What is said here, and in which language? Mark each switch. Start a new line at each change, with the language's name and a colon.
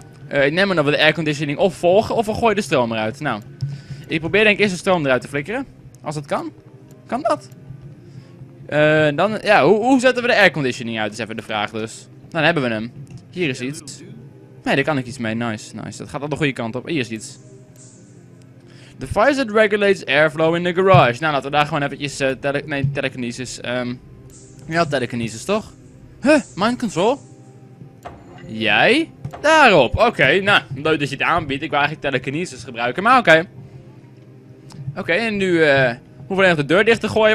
Dutch: Ik neem maar dat we de airconditioning of volgen of we gooien de stroom eruit. Nou, ik probeer denk ik eerst de stroom eruit te flikkeren. Als dat kan. Kan dat? Dan, ja, hoe zetten we de airconditioning uit? Is even de vraag dus. Dan hebben we hem. Hier is iets. Nee, daar kan ik iets mee. Nice, nice. Dat gaat al de goede kant op. Hier is iets.
English: The fire that regulates airflow in the garage.
Dutch: Nou, laten we daar gewoon eventjes telekinesis. Ja, telekinesis toch? Huh, mind control? Jij? Daarop. Oké, nou, leuk dat je het aanbiedt. Ik wil eigenlijk telekinesis gebruiken, maar oké. Oké, en nu, hoeven we even de deur dicht te gooien.